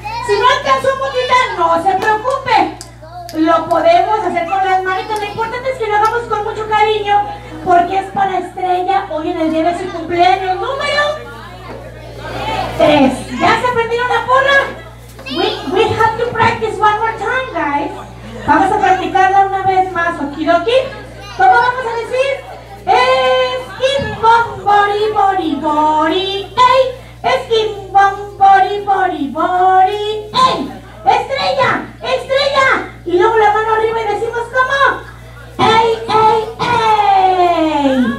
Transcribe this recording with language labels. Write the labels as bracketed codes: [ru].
[es] Si no alcanzó, motita, no se preocupe, lo podemos hacer con las manitas. Lo importante es que lo hagamos con mucho cariño, porque es para Estrella, hoy en el día de su cumpleaños, número 3, ¿ya se aprendieron la porra? [en] We have to practice one more time, guys. [es] Vamos a practicarla una vez más, okidoki. ¿Cómo vamos a decir? Skin bom bori bori bori, ey. Skin bom bori bori bori, ey. Estrella, Estrella. Y luego la mano arriba y decimos ¿cómo? Ey, ey, ey.